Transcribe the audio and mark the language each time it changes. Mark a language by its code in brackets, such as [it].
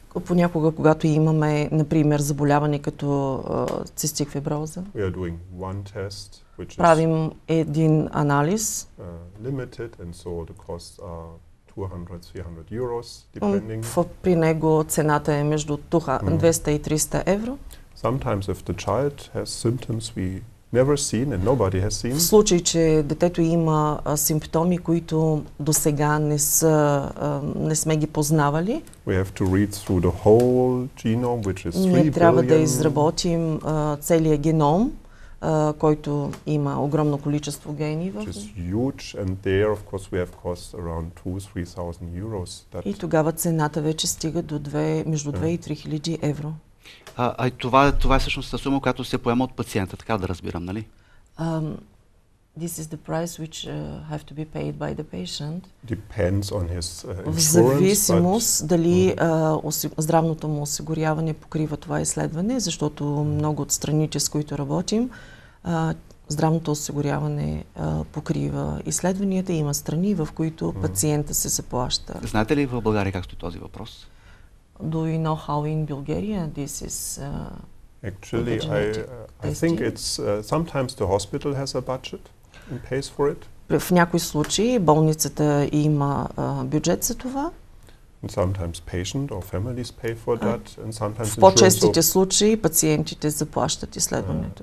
[bg] понякога, когато имаме, например, заболяване като цистик фиброза, [en] we are doing one test, which [bg] правим един анализ. [en] Limited, and so the costs are 200-300 euros, depending. [bg] При него цената е между 200 и 300 евро. [en] Sometimes if the child has symptoms we never seen and nobody has seen. [bg] В случай, че детето има симптоми, които досега не сме ги познавали, [en] we have to read through the whole genome, which is 3 billion. [bg] Трябва да изработим целия геном, който има огромно количество гени в. [en] It's huge and there of course we have costs around 2-3000 euros. [bg] И тогава цената вече стига до между 2 и 3000 евро. Това е всъщност сума, която се поема от пациента, така да разбирам, нали? [en] This is the price which have to be paid by the patient. Depends on his [bg] В зависимост дали здравното му осигуряване покрива това изследване, защото много от страните, с които работим, здравното осигуряване покрива изследванията, има страни, в които пациента се заплаща. Знаете ли в България как стои този въпрос? [en] Do you know how in Bulgaria this is Actually, I think it's sometimes the hospital has a budget and pays for it. [bg] В някои случаи болницата има бюджет за това. [en] And sometimes patient or families pay for that, and sometimes [bg] в по-честите случаи пациентите заплащат изследването.